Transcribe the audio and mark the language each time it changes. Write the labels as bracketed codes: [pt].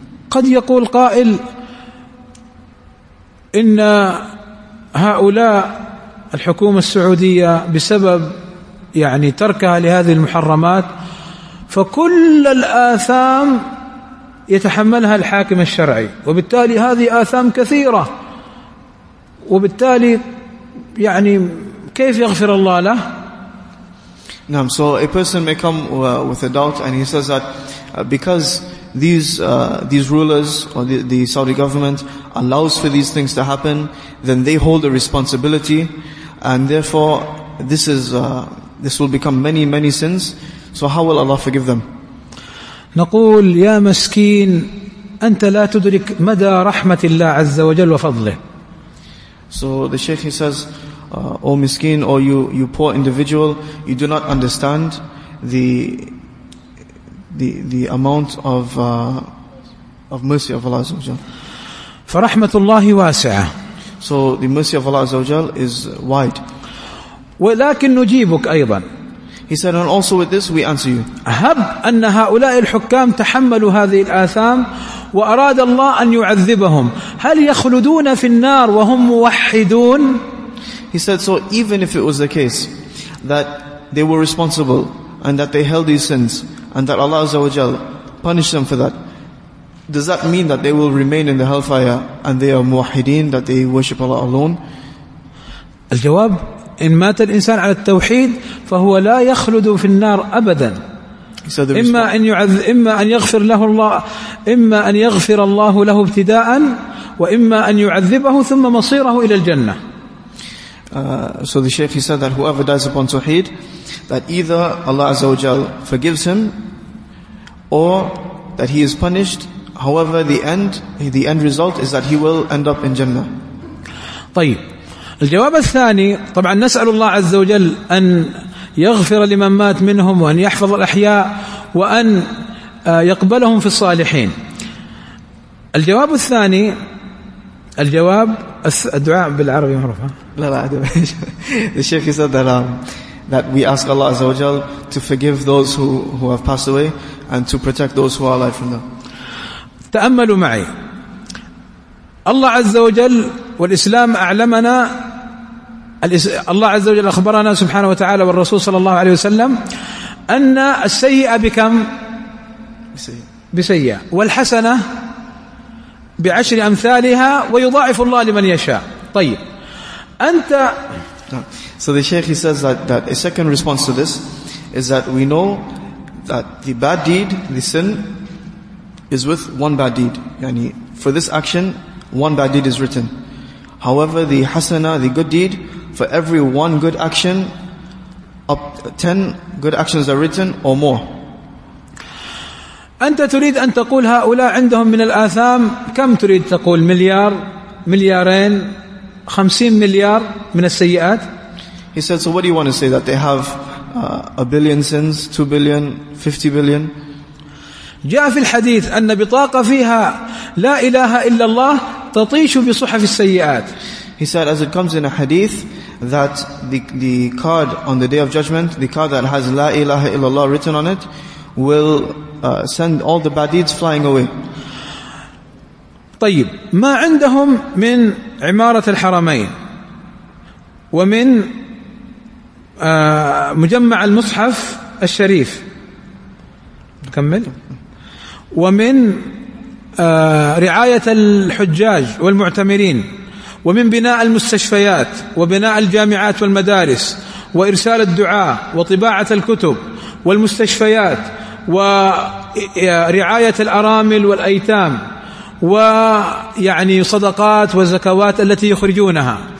[ar] قد يقول قائل إن هؤلاء الحكومة السعودية بسبب يعني تركها لهذه المحرمات فكل الآثام يتحملها الحاكم الشرعي وبالتالي هذه آثام كثيرة وبالتالي يعني كيف يغفر الله له؟ نعم. [en] So a person may come with a doubt and he says that because these rulers or the Saudi government allows for these things to happen, then they hold a responsibility, and therefore this will become many sins. So how will Allah forgive them? [ar] نقول يا مسكين أنت لا تدرك مدى رحمة الله عز وجل وفضله. [en] So the Sheikh, he says, O miskeen, or you poor individual, you do not understand the amount of mercy of Allah Azza wa Jal. [ar] فرحمة الله واسعة. [en] So the mercy of Allah Azza wa Jal is wide. [ar] ولكن نجيبك أيضا. [en] He said, and also with this we answer you. [ar] أهب أن هؤلاء الحكام تحملوا هذه الآثام وأراد الله أن يعذبهم هل يخلدون في النار وهم موحدون؟ [en] He said, so even if it was the case that they were responsible and that they held these sins and that Allah Azza wa Jal punished them for that, does that mean that they will remain in the hellfire and they are muwahideen, that they worship Allah alone? [ar] الجواب إن مات الإنسان على التوحيد فهو لا يخلد في النار أبدا. [en] He said, [ar] إما أن إما أن يغفر له الله إما أن يغفر الله له ابتداء وإما أن يعذبه ثم مصيره إلى الجنة. [en] So the Shaykh, he said that whoever dies upon Tawheed, that either Allah Azza wa Jal forgives him or that he is punished. However, the end result is that he will end up in Jannah. [ar] طيب الجواب الثاني طبعا نسأل الله عز وجل أن يغفر لمن مات منهم وأن يحفظ الأحياء وأن يقبلهم في الصالحين. الجواب الثاني الجواب الدعاء بالعربي معروف. لا لا أدري. [en] The Sheikh said that we ask Allah Azza wa Jal to forgive those who have passed away and to protect those who are alive from them. [ar] تأملوا معي. الله عز وجل والإسلام أعلمنا. الله عز وجل أخبرنا سبحانه وتعالى والرسول صلى الله عليه وسلم أن السيئة بكم؟ بسيئة. والحسنة بعشر أمثالها ويضاعف الله لمن يشاء. طيب أنت. [en] So the Sheikh, he says that a second response to this is that we know that the bad deed, the sin, is with one bad deed. يعني for this action, one bad deed is written. However, the hasana, the good deed, for every one good action, up 10 good actions are written or more. [ar] أنت تريد أن تقول هؤلاء عندهم من الآثام كم تريد تقول مليار مليارين 50 مليار من السيئات. [en] He said, so what do you want to say, that they have a billion sins, 2 billion, 50 billion? [ar] جاء في الحديث أن بطاقة فيها لا إله إلا الله تطيش بصحف السيئات. [en] He said, as it comes in a hadith, that the card on the Day of Judgment, the card that has La ilaha illallah written on it, will send all the bad deeds flying away. [ar] طيب ما عندهم من عمارة الحرمين ومن مجمع المصحف الشريف نكمل ومن رعاية الحجاج والمعتمرين ومن بناء المستشفيات وبناء الجامعات والمدارس وإرسال الدعاء وطباعة الكتب والمستشفيات ورعاية الأرامل والأيتام ويعني صدقات وزكوات التي يخرجونها.